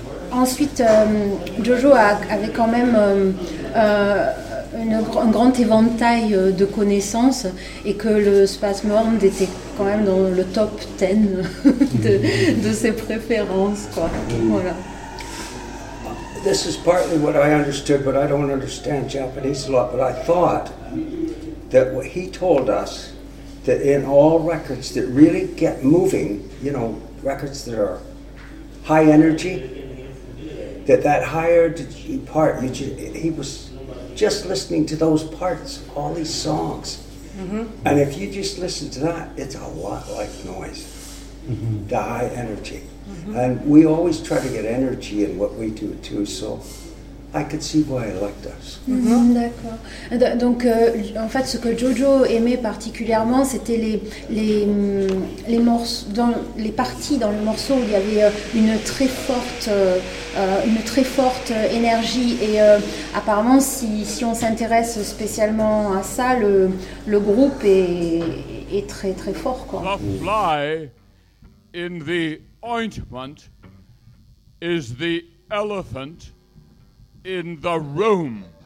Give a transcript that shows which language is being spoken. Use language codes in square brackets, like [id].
[fr] Ensuite, Jojo avait quand même... un grand éventail de connaissances, et que le Spazmorn était quand même dans le top 10 de ses préférences, quoi. Voilà. [en] This is partly what I understood, but I don't understand Japanese a lot, but I thought that what he told us, that in all records that really get moving, you know, records that are high energy, that higher part, he was just listening to those parts, all these songs. Mm-hmm. And if you just listen to that, it's a lot like noise. Mm-hmm. The high energy. Mm-hmm. And we always try to get energy in what we do too, so I could see why I liked us. [fr] Mm-hmm. D'accord. Donc, en fait, ce que Jojo aimait particulièrement, c'était les morceaux, dans les parties dans le morceau où il y avait une très forte énergie. Et apparemment, si on s'intéresse spécialement à ça, le groupe est très très fort, quoi. [en] The fly in the ointment is the elephant in the room.